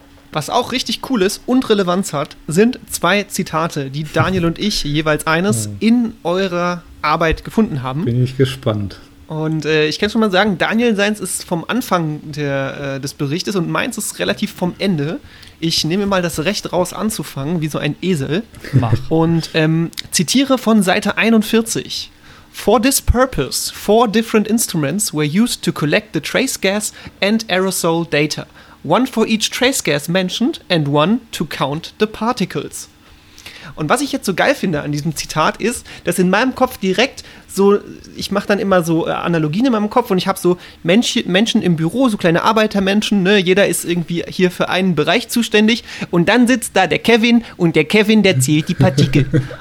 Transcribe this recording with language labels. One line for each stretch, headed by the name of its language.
German: Was auch richtig cool ist und Relevanz hat, sind zwei Zitate, die Daniel und ich jeweils eines in eurer Arbeit gefunden haben. Bin ich gespannt. Und ich kann schon mal sagen, Daniel, seins ist vom Anfang des Berichtes und meins ist relativ vom Ende. Ich nehme mal das Recht raus, anzufangen, wie so ein Esel. Mach. Und zitiere von Seite 41.
English: For this purpose, four different instruments were used to collect the trace gas and aerosol data. One for each trace gas mentioned and one to count the particles.
German: Und was ich jetzt so geil finde an diesem Zitat ist, dass in meinem Kopf direkt so, ich mache dann immer so Analogien in meinem Kopf und ich habe so Menschen im Büro, so kleine Arbeitermenschen, ne, jeder ist irgendwie hier für einen Bereich zuständig und dann sitzt da der Kevin und der Kevin, der zählt die Partikel.